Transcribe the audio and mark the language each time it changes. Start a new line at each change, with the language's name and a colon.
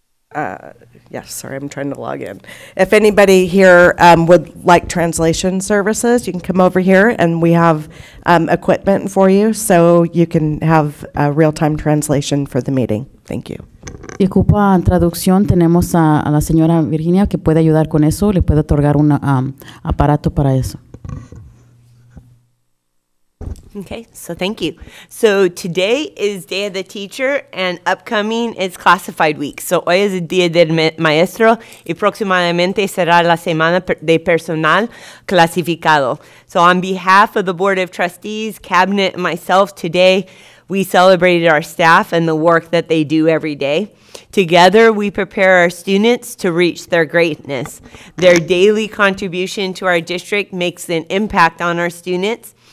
English: I'm trying to log in. If anybody here would like translation services, you can come over here, and we have equipment for you, so you can have a real-time translation for the meeting. Thank you.
Spanish: Y ocupa traducción, tenemos a la señora Virginia que puede ayudar con eso, le puede otorgar un aparato para eso.
English: Okay, so thank you. So today is Day of the Teacher, and upcoming is Classified Week.
Spanish: So hoy es el Día del Maestro, y próximamente será la Semana de Personal Clasificado.
English: So on behalf of the Board of Trustees, Cabinet, and myself, today we celebrated our staff and the work that they do every day. Together, we prepare our students to reach their greatness. Their daily contribution to our district makes an impact on our students.